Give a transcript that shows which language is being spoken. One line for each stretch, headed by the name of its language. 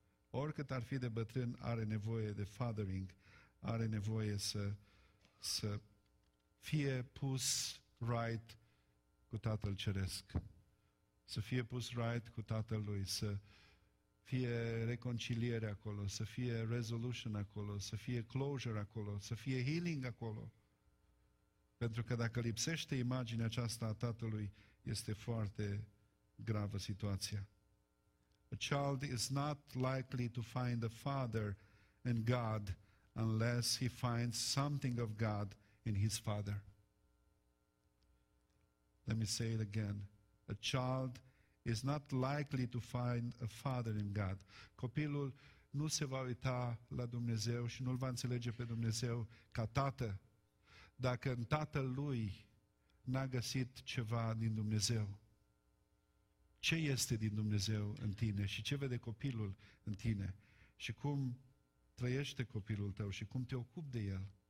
Romanian: Oricât ar fi de bătrân, are nevoie de fathering, are nevoie să fie pus right cu Tatăl Ceresc, să fie pus right cu Tatălui, să fie reconciliere acolo, să fie resolution acolo, să fie closure acolo, să fie healing acolo. Pentru că dacă lipsește imaginea aceasta a Tatălui, este foarte gravă situația.
English: A child is not likely to find a father in God unless he finds something of God in his father. Let me say it again. A child is not likely to find a father in God.
Romanian: Copilul nu se va uita la Dumnezeu și nu-L va înțelege pe Dumnezeu ca tată dacă în tatăl lui n-a găsit ceva din Dumnezeu. Ce este din Dumnezeu în tine și ce vede copilul în tine și cum trăiește copilul tău și cum te ocupi de el?